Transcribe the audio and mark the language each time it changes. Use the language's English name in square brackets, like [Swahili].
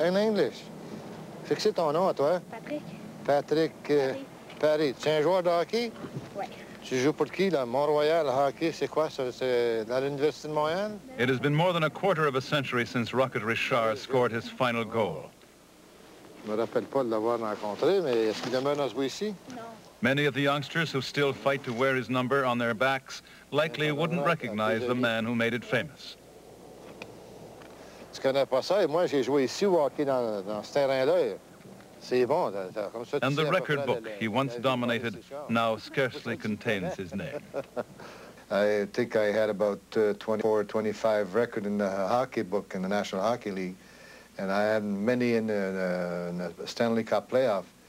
[English] In English. [French] Fixez ton nom à toi. Patrick. Paris, tu es un joueur de hockey? Oui. Tu joues pour qui, là? Mont-Royal hockey, c'est quoi ça? C'est dans l'Université de Montréal? [English] It has been more than a quarter of a century since Rocket Richard scored his final goal. [French] Je me rappelle pas de l'avoir rencontré, mais est-ce qu'il demeure dans ce ici? Non. [English] Many of the youngsters who still fight to wear his number on their backs likely wouldn't recognize the man who made it famous. [French] Tu connais pas ça? Et moi, j'ai joué ici au hockey dans ce terrain-là. [English] And the record book he once dominated now scarcely contains his name. I think I had about 24 or 25 record in the hockey book in the National Hockey League, and I had many in the Stanley Cup playoff.